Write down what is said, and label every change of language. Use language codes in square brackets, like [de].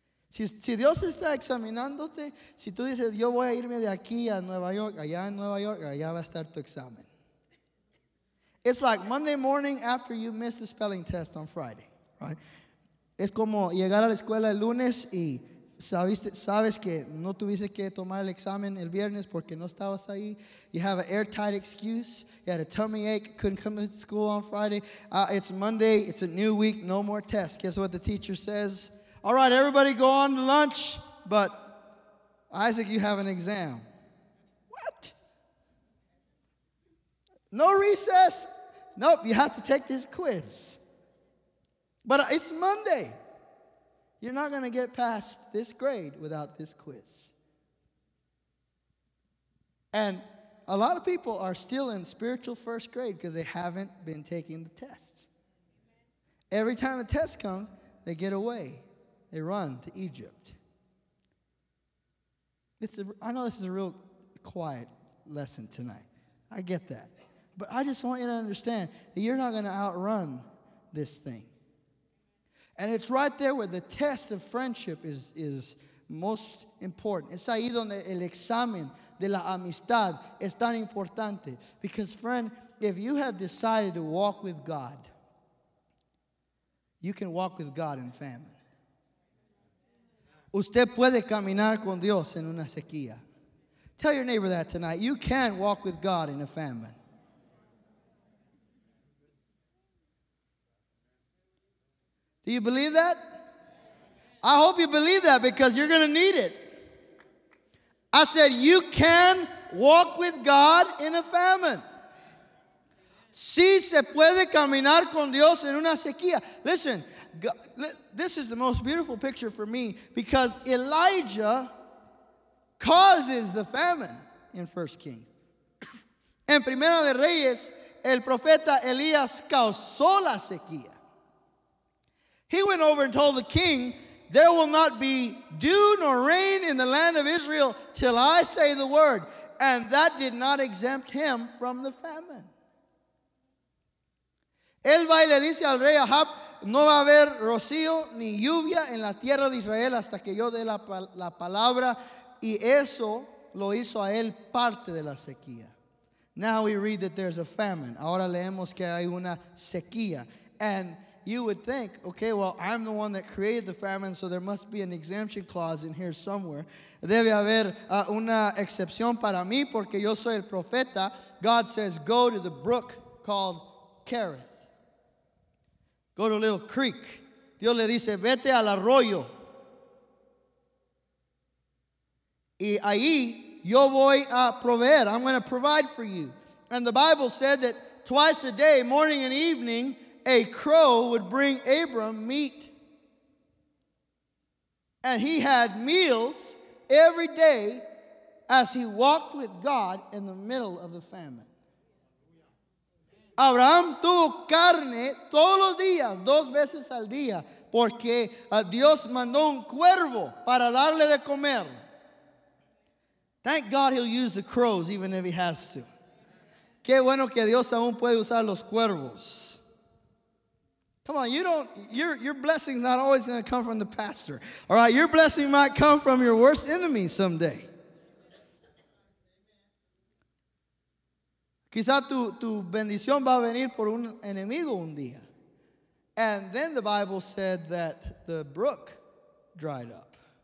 [es] Si Dios está examinándote, si tú dices, yo voy a irme de aquí a Nueva York, allá en Nueva York, allá va a estar tu examen. [en] It's like Monday morning after you miss the spelling test on Friday, right? [es] Es como llegar a la escuela el lunes y sabes que no tuviste que tomar el examen el viernes porque no estabas ahí. [en] You have an airtight excuse. You had a tummy ache, couldn't come to school on Friday. It's Monday, it's a new week, no more tests. Guess what the teacher says? All right, everybody go on to lunch, but Isaac, you have an exam. What? No recess? Nope, you have to take this quiz. But it's Monday. You're not going to get past this grade without this quiz. And a lot of people are still in spiritual first grade because they haven't been taking the tests. Every time the test comes, they get away. They run to Egypt. I know this is a real quiet lesson tonight. I get that. But I just want you to understand that you're not going to outrun this thing. And it's right there where the test of friendship is most important. [es] Es ahí donde el examen de la amistad es tan importante. [en] Because, friend, if you have decided to walk with God, you can walk with God in famine. [es] Usted puede caminar con Dios en una sequía. [en] Tell your neighbor that tonight. You can walk with God in a famine. Do you believe that? I hope you believe that because you're going to need it. I said you can walk with God in a famine. [es] Sí se puede caminar con Dios en una sequía. [en] Listen, this is the most beautiful picture for me because Elijah causes the famine in 1 Kings. [es] En Primera de Reyes, el profeta Elías causó la sequía. [en] He went over and told the king, there will not be dew nor rain in the land of Israel till I say the word. And that did not exempt him from the famine. [es] Él va y le dice al rey Ahab, no va a haber rocío ni lluvia en la tierra de Israel hasta que yo dé la palabra. Y eso lo hizo a él parte de la sequía. [en] Now we read that there's a famine. [es] Ahora leemos que hay una sequía. [en] And you would think, okay, well, I'm the one that created the famine, so there must be an exemption clause in here somewhere. [es] Debe haber una excepción para mí porque yo soy el profeta. [en] God says, go to the brook called Kereth. Go to a little creek. [es] Dios le dice, vete al arroyo. Y ahí yo voy a proveer. [en] I'm going to provide for you. And the Bible said that twice a day, morning and evening, a crow would bring Abram meat. And he had meals every day as he walked with God in the middle of the famine. [es] Abraham tuvo carne todos los días, dos veces al día, porque Dios mandó un cuervo para darle de comer. [en] Thank God he'll use the crows even if he has to. [es] Qué bueno que Dios aún puede usar los cuervos. [en] Come on, your blessing's not always going to come from the pastor. All right, your blessing might come from your worst enemy someday. [es] Quizá tu bendición va a venir por un enemigo un día. [en] And then the Bible said that the brook dried up.